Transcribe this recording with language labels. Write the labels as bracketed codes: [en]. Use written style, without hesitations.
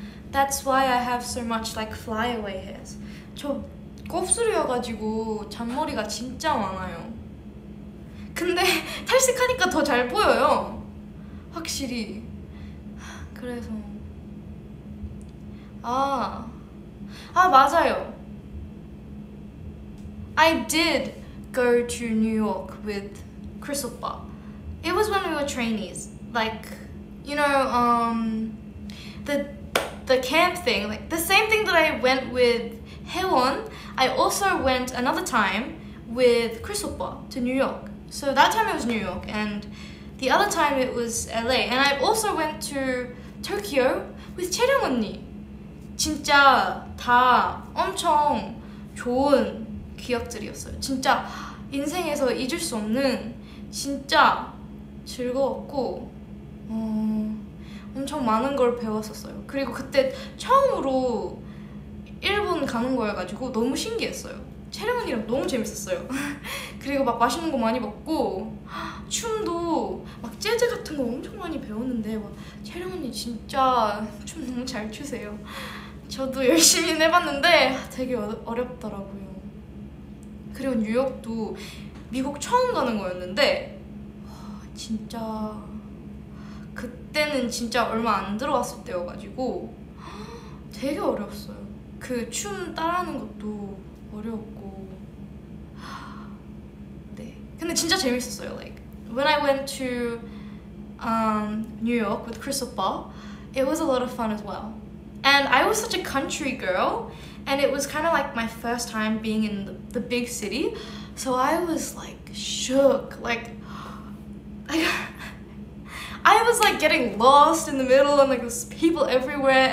[en] That's why I have so much like flyaway hairs. [ko] 저 곱슬이여가지고 잔머리가 진짜 많아요. 근데 탈색하니까 더 잘 보여요. 확실히. 그래서 아아 맞아요. [en] I did go to New York with Crystal Ba. It was when we were trainees. Like, you know, the camp thing. Like the same thing that I went with Haewon, I also went another time with Crystal Ba to New York. So that time it was New York, and the other time it was LA. And I also went to Tokyo with 채령 언니. [ko] 진짜 다 엄청 좋은 기억들이었어요. 진짜 인생에서 잊을 수 없는 진짜 즐거웠고 엄청 많은 걸 배웠었어요. 그리고 그때 처음으로 일본 가는 거여가지고 너무 신기했어요. 채령 언니랑 너무 재밌었어요. 그리고 막 맛있는 거 많이 먹고 춤도 막 재즈 같은 거 엄청 많이 배웠는데 막 채령 언니 진짜 춤 너무 잘 추세요. 저도 열심히 해봤는데 되게 어렵더라고요. 그리고 뉴욕도 미국 처음 가는 거였는데 진짜 그때는 진짜 얼마 안 들어왔을 때여가지고 되게 어려웠어요. 그 춤 따라하는 것도 어려웠고 네 근데 진짜 재밌었어요. [en] Like when I went to New York with Crystal Ball, it was a lot of fun as well. And I was such a country girl. And it was kind of like my first time being in the big city. So I was like shook. Like, I was like getting lost in the middle and like there's people everywhere.